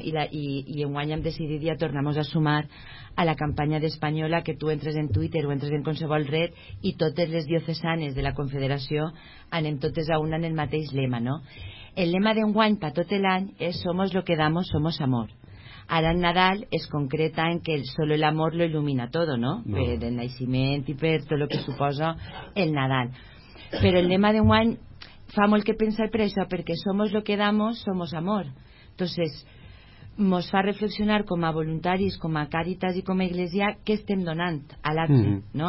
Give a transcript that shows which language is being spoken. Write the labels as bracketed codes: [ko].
[ca] I enguany hem decidit ja tornar-nos a sumar a la campanya d'Espanyola, que tu entres en Twitter o entres en qualsevol red i totes les diocesanes de la Confederació anem totes a una en el mateix lema, no? El lema d'enguany per tot l'any és [es] Somos lo que damos, somos amor. [ca] Ara en Nadal es concreta en que [es] solo el amor lo ilumina todo, [ca] no? Per el naixement i per tot el que suposa el Nadal. Però el lema d'enguany fa molt que pensar per això, perquè [es] somos lo que damos, somos amor. [ca] Entonces, mos fa reflexionar com a voluntaris, com a Càritas i com a Iglesia, què estem donant a l'acte, no?